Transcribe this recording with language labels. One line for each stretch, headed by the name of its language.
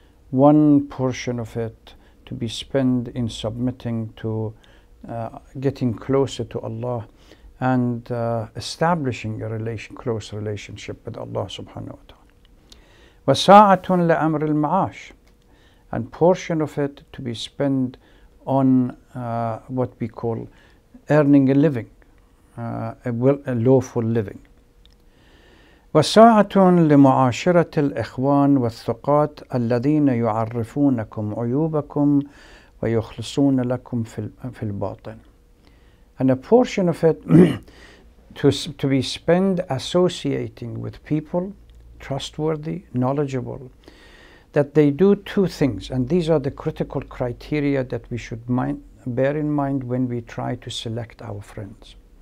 English: One portion of it to be spent in submitting to getting closer to Allah and establishing a close relationship with Allah subhanahu wa ta'ala.
Arabic: وساعة لأمر المعاش.
English: And portion of it to be spent on what we call earning a living, a lawful living.
Arabic: وساعة لمعاشرة الإخوان والثقات الذين يعرفونكم عيوبكم ويخلصون لكم في الباطن.
English: And a portion of it to be spent associating with people, trustworthy, knowledgeable, that they do two things, and these are the critical criteria that we should bear in mind when we try to select our friends.